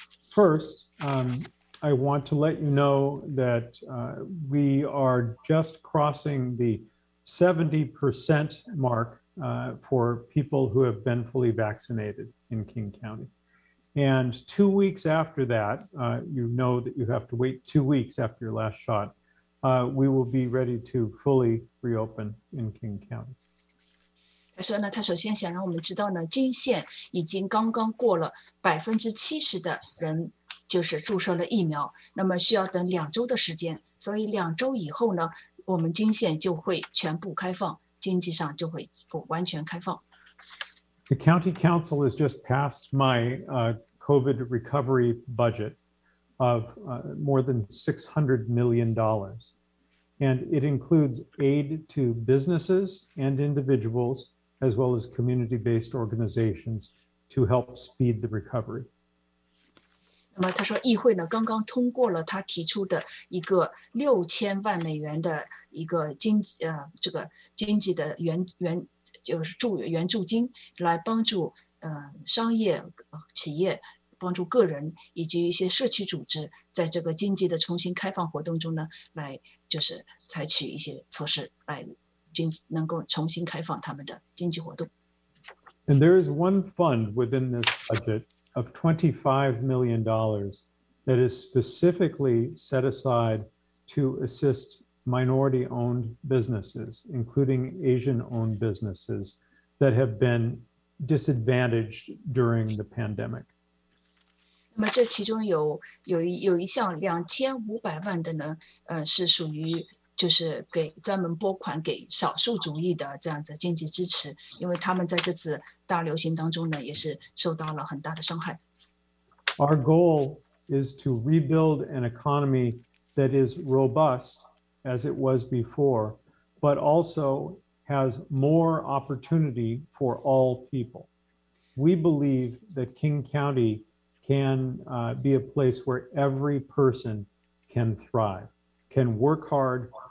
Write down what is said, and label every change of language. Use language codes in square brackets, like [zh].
[en] First, I want to let you know that we are just crossing the 70% mark. For people who have been fully vaccinated in King County. And 2 weeks after that, you know that you have to wait 2 weeks after your last shot, we will be ready to fully reopen in King County. [zh] 他说呢，他首先想让我们知道呢，金县已经刚刚过了70%的人就是注射了疫苗，那么需要等2周的时间，所以2周以后呢，我们金县就会全部开放。经济上就会完全开放。 [en] The county council has just passed my COVID recovery budget of more than $600 million. And it includes aid to businesses and individuals, as well as community-based organizations to help speed the recovery. [zh] 那么他说议会呢刚刚通过了他提出的一个$6,000,000的一个经济这个经济的援就是援助金来帮助商业企业帮助个人以及一些社区组织在这个经济的重新开放活动中呢来就是采取一些措施来经济能够重新开放他们的经济活动。 [en] And there is one fund within this budget of $25 million that is specifically set aside to assist minority-owned businesses, including Asian-owned businesses, that have been disadvantaged during the pandemic. [zh] 那么这其中有一项2500万的呢，是属于就是给专门拨款给少数族裔的这样子经济支持，因为他们在这次大流行当中呢，也是受到了很大的伤害。 [en] Our goal is to rebuild an economy that is robust as it was before, but also has more opportunity for all people. We believe that King County can be a place where every person can thrive, can work hard.